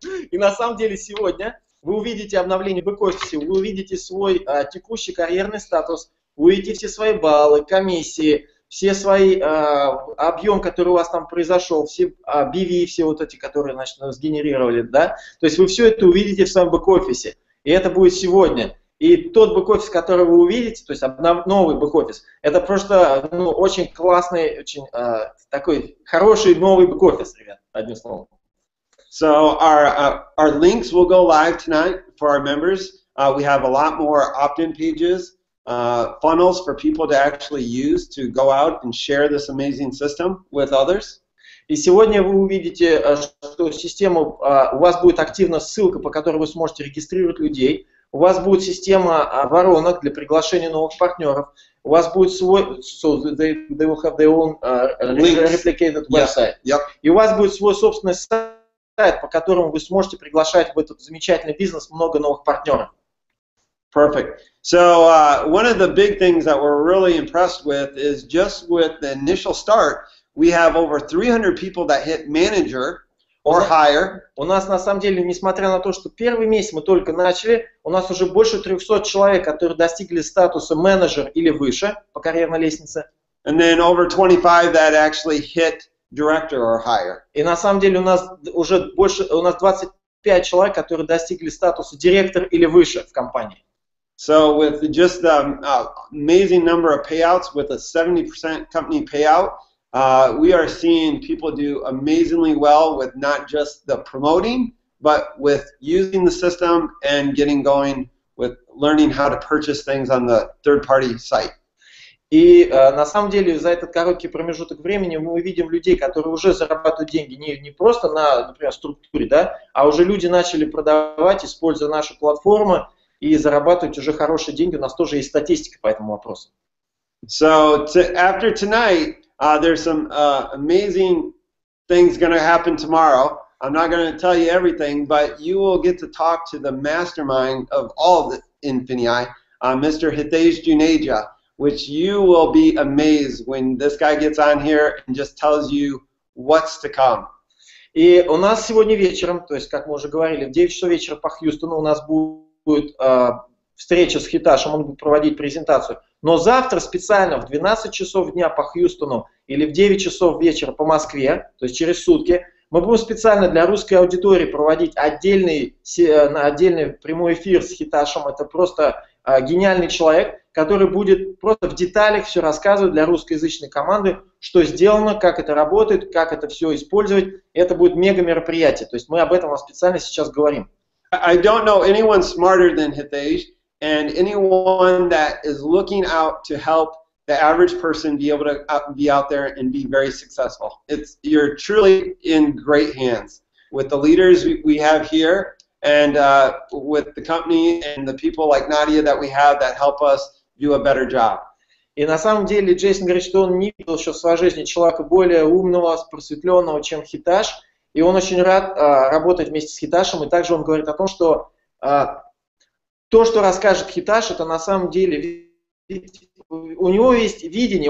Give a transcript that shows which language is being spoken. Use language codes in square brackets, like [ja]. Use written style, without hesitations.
[ru] И на самом деле сегодня вы увидите обновление в бэк-офисе, вы увидите свой текущий карьерный статус, увидите все свои баллы, комиссии, все свои объем, который у вас там произошел, все BV, все вот эти, которые, значит, сгенерировали, да? То есть вы все это увидите в своем бэк-офисе, и это будет сегодня. И тот бэк-офис, который вы увидите, то есть новый бэк-офис, это просто очень классный, очень такой хороший новый бэк-офис, ребят, одним словом. [en] So our links will go live tonight for our members. We have a lot more opt-in pages. Funnels for people to actually use to go out and share this amazing system with others. [ru] И сегодня вы увидите, что система, у вас будет активна ссылка, по которой вы сможете регистрировать людей. У вас будет система воронок для приглашения новых партнеров. У вас будет свой, [en] so they will have their own replicated website. Yep. Yep. [ru] И у вас будет свой собственный сайт, по которому вы сможете приглашать в этот замечательный бизнес много новых партнеров. [en] Perfect. So one of the big things that we're really impressed with is just with the initial start, we have over 300 people that hit manager or higher. [ru] У нас на самом деле, несмотря на то, что первый месяц мы только начали, у нас уже больше 300 человек, которые достигли статуса менеджер или выше по карьерной лестнице. [en] And then over 25 that actually hit director or higher. [ru] И на самом деле у нас уже больше, у нас 25 человек, которые достигли статуса директор или выше в компании. [en] So with just the amazing number of payouts, with a 70% company payout, we are seeing people do amazingly well with not just the promoting, but with using the system and getting going with learning how to purchase things on the third-party site. [ru] И на самом деле за этот короткий промежуток времени мы увидим людей, которые уже зарабатывают деньги не просто на, например, структуре, да, а уже люди начали продавать, используя наши платформы, и зарабатывать уже хорошие деньги. У нас тоже есть статистика по этому вопросу. [en] So after tonight, there's some amazing things going to happen tomorrow. I'm not going to tell you everything, but you will get to talk to the mastermind of all the Infinii, Mr. Hitesh Juneja, which you will be amazed when this guy gets on here and just tells you what's to come. [ru] И у нас сегодня вечером, то есть, как мы уже говорили, в 9 часов вечера по Хьюстону у нас будет встреча с Хитешем, он будет проводить презентацию. Но завтра специально в 12 часов дня по Хьюстону или в 9 часов вечера по Москве, то есть через сутки, мы будем специально для русской аудитории проводить отдельный прямой эфир с Хитешем. Это просто гениальный человек. который будет просто в деталях все рассказывать для русскоязычной команды, что сделано, как это работает, как это все использовать. Это будет мега мероприятие. То есть мы об этом вам специально сейчас говорим. [en] I don't know anyone smarter than Hitesh, and anyone that is looking out to help the average person be able to be out there and be very successful. You're truly in great hands with the leaders we have here. And with the company and the people like Nadia that we have that help us do a better job. [ru] И на самом деле Джейсон говорит, что он не видел еще в своей жизни человека более умного, просветленного, чем Хитеш. И он очень рад работать вместе с Хитешем. И также он говорит о том, что то, что расскажет Хитеш, это на самом деле у него есть видение.